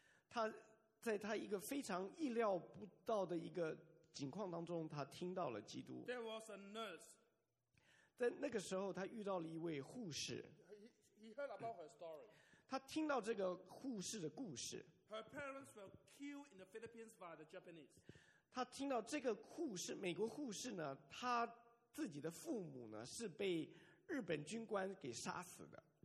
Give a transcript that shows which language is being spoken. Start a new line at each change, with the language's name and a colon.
Chinese: 他在他一个非常意料不到的一个情况当中，他听到了基督。
English: There was a nurse.
Chinese: 在那个时候，他遇到了一位护士。
English: He heard about her story.
Chinese: 他听到这个护士的故事。
English: Her parents were killed in the Philippines by the Japanese.
Chinese: 他听到这个护士，美国护士呢，他自己的父母呢是被日本军官给杀死的。